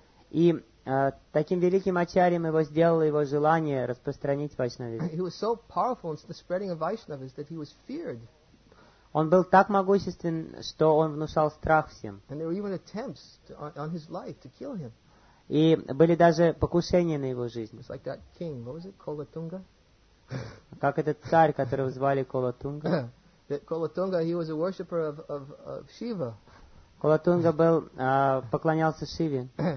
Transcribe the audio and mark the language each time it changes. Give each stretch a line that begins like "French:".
Russian: И таким великим ачарьем его сделало его желание распространить вайшнавизм.
English: He was so powerful in the spreading of Vaishnavism that he was feared.
Russian: Он был так могуществен, что он внушал страх всем.
English: And there were even attempts on his life to kill him.
Russian: И были даже покушения на его жизнь.
English: It's like that king, what was it, Kolatunga?
Russian: Как этот царь, которого звали Колотунга.
English: Колотунга, he was a worshipper of Shiva.
Russian: Колотунга был поклонялся Шиве.